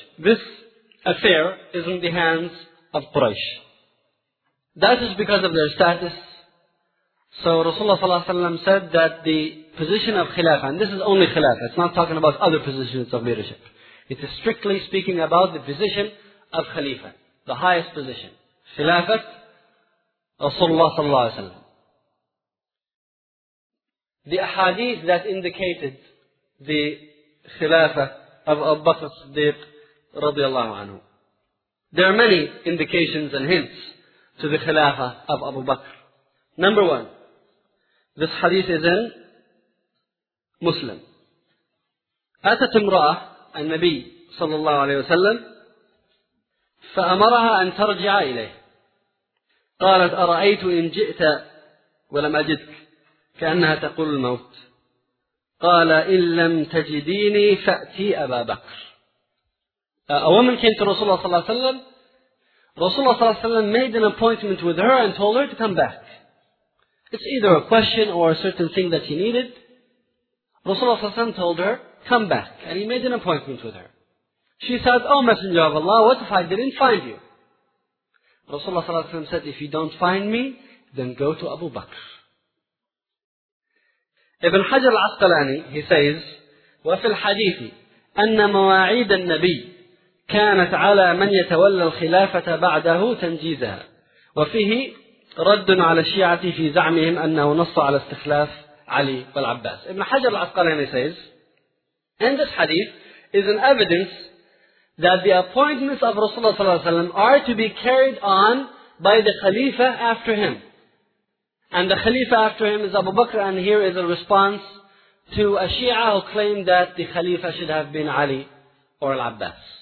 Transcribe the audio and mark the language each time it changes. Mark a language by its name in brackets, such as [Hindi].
[English] This affair is in the hands of Quraysh. That is because of their status. So Rasulullah صلى الله عليه وسلم said that the position of Khilafah, and this is only Khilafah, it's not talking about other positions of leadership. It is strictly speaking about the position of Khalifa, the highest position. Khilafat Rasulullah صلى الله عليه وسلم. The ahadith that indicated the Khilafah of Abu Bakr as-Siddiq radiallahu anhu. There are many indications and hints to the Khilafah of Abu Bakr. Number one, this hadith is in Muslim. [Arabic] أتت امرأة النبي صلى الله عليه وسلم فأمرها أن ترجع إليه. قالت أرأيت إن جئت ولم أجدك, كأنها تقول الموت. قال إن لم تجديني فأتي أبا بكر. [English] A woman came to Rasulullah صلى الله عليه وسلم. Rasulullah صلى الله عليه وسلم made an appointment with her and told her to come back. It's either a question or a certain thing that she needed. Rasulullah صلى الله عليه وسلم told her, come back. And he made an appointment with her. She said, oh Messenger of Allah, what if I didn't find you? Rasulullah صلى الله عليه وسلم said, if you don't find me, then go to Abu Bakr. Ibn Hajar al-Asqalani, he says, [Arabic] وَفِي الْحَدِيثِ أَنَّ مَوَاعِيدَ النَّبِيِّ كَانَتْ عَلَى مَنْ يَتَوَلَّ الْخِلَافَةَ بَعْدَهُ تَنْجِيزَهَا. وَفِيهِ رد على الشيعة في زعمهم أنه نص على استخلاف علي والعباس. [English] ابن حجر العسقلاني says, in this hadith is an evidence that the appointments of Rasulullah صلى الله عليه وسلم are to be carried on by the Khalifa after him. And the Khalifa after him is Abu Bakr, and here is a response to a Shia who claimed that the Khalifa should have been Ali or al-Abbas.